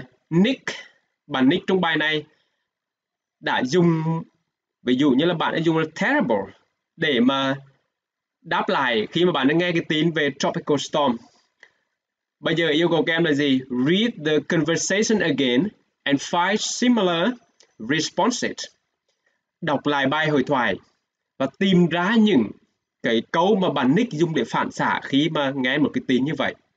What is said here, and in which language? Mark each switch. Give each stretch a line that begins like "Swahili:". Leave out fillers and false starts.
Vietnamese: Nick, bạn Nick trong bài này đã dùng, ví dụ như là bạn đã dùng là terrible để mà đáp lại khi mà bạn đã nghe cái tin về tropical storm. Bây giờ yêu cầu các em là gì?
English: Read the conversation again and find similar responses.
Vietnamese: Đọc lại bài hội thoại và tìm ra những cái câu mà bạn Nick dùng để phản xạ khi mà nghe một cái tin như vậy.